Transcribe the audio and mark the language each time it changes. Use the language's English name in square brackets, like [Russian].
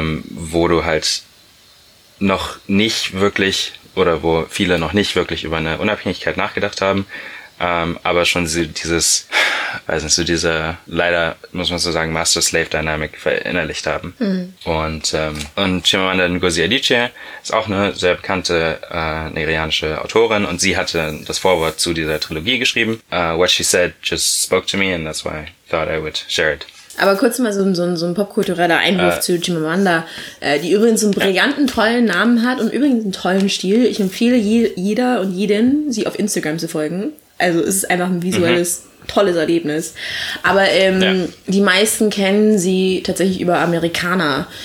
[German] Wo du halt noch nicht wirklich, oder wo viele noch nicht wirklich über eine Unabhängigkeit nachgedacht haben, aber schon dieses, weiß nicht, so diese, leider muss man so sagen, Master-Slave-Dynamic verinnerlicht haben. Mhm. Und Chimamanda Ngozi Adichie ist auch eine sehr bekannte nigerianische Autorin und sie hatte das Vorwort zu dieser Trilogie geschrieben. [English] What she said just spoke to me and that's why I thought I would share it. [German] Aber kurz mal so ein popkultureller Einwurf zu Chimamanda, die übrigens einen brillanten, tollen Namen hat und übrigens einen tollen Stil. Ich empfehle jeder und jeden, sie auf Instagram zu folgen. Also es ist einfach ein visuelles, tolles Erlebnis. Aber die meisten kennen sie tatsächlich über Americana.